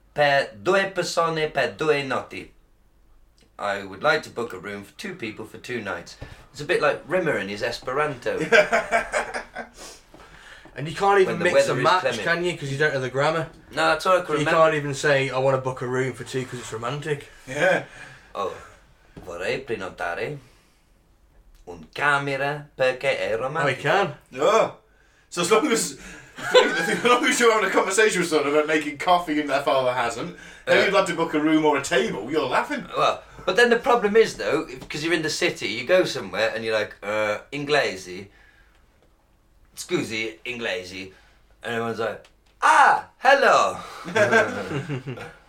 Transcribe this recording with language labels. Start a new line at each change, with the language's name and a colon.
Italian: per due persone per due notti.
English: I would like to book a room for 2 people for 2 nights. It's a bit like Rimmer and his Esperanto. And you can't even mix and match, can you? Because you don't know the grammar. No, that's all I can remember. You can't even say, I want to book a room for 2 because it's romantic. Yeah.
Italian: Oh, vorrei prenotare un camera perché è romantico.
English: Oh, he can. Oh, so as long as... As long as you're having a conversation with someone about making coffee and their father hasn't, then you'd like to book a room or a table, you're laughing. Well, but then the problem is, though, because you're in the city, you go somewhere and you're like,
Italian: Inglese, scusi, Inglese,
English: and everyone's like, ah, hello.